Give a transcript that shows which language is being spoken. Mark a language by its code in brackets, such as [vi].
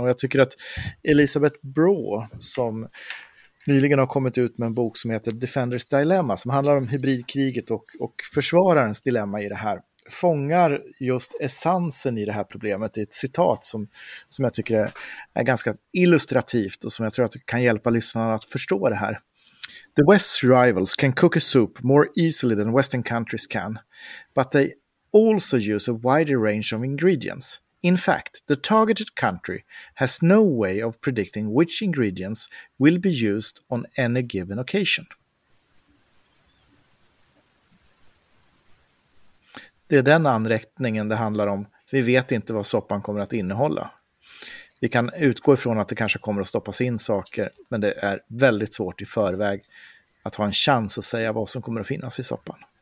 [sv] Och jag tycker att Elizabeth Broh, som nyligen har kommit ut med en bok som heter Defender's Dilemma, som handlar om hybridkriget och försvararens dilemma i det här, fångar just essensen i det här problemet. Det är ett citat som jag tycker är ganska illustrativt och som jag tror att kan hjälpa lyssnarna att förstå det här. [en] The West's rivals can cook a soup more easily than Western countries can, but they also use a wider range of ingredients. In fact, the targeted country has no way of predicting which ingredients will be used on any given occasion. [sv] Det är den anrättningen det handlar om. Vi vet inte vad soppan kommer att innehålla. Vi kan utgå ifrån att det kanske kommer att stoppas in saker, men det är väldigt svårt i förväg att ha en chans att säga vad som kommer att finnas i soppan.